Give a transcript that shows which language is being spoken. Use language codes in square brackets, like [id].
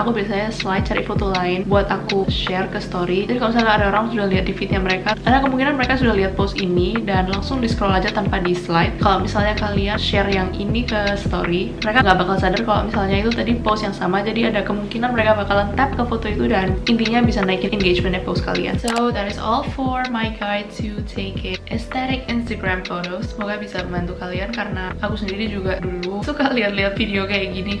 [id] Aku biasanya slide cari foto lain buat aku share ke story. Jadi kalau misalnya ada orang sudah lihat di feednya mereka, ada kemungkinan mereka sudah lihat post ini dan langsung di scroll aja tanpa di slide. Kalau misalnya kalian share yang ini ke story, mereka gak bakal sadar kalau misalnya itu tadi post yang sama. Jadi ada kemungkinan mereka bakalan tap ke foto itu dan intinya bisa naikin engagement post kalian. [en] So that is all for my guide to take aesthetic Instagram photos. [id] Semoga bisa membantu kalian, karena aku sendiri juga dulu suka lihat-lihat video kayak gini.